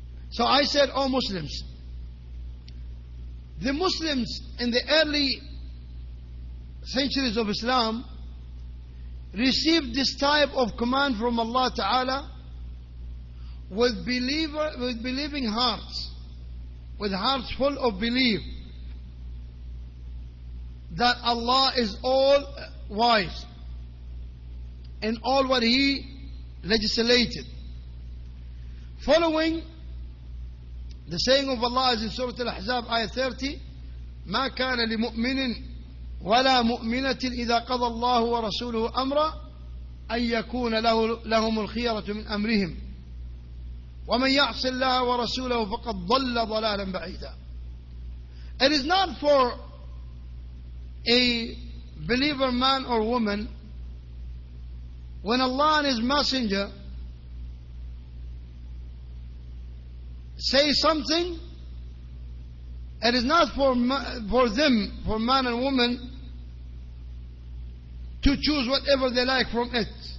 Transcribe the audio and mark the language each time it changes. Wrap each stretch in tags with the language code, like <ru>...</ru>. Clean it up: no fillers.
<en>So I said, oh Muslims, the Muslims in the early centuries of Islam received this type of command from Allah Ta'ala with believing hearts, with hearts full of belief that Allah is all wise in all what He legislated. Following the saying of Allah is in Surah Al-Ahzab, Ayah 30,</en> <ar>مَا كَانَ لِمُؤْمِنٍ وَلَا مُؤْمِنَةٍ إِذَا قَضَى اللَّهُ وَرَسُولُهُ أَمْرًا أَنْ يَكُونَ لَهُمُ الْخِيَرَةُ مِنْ أَمْرِهِمْ وَمَنْ يَعْصِ اللَّهَ وَرَسُولَهُ فَقَدْ ضَلَّ ضَلَالًا بَعِيدًا.</ar> <en>It is not for a believer man or woman, when Allah and His Messenger say something, it is not for man and woman to choose whatever they like from it.</en>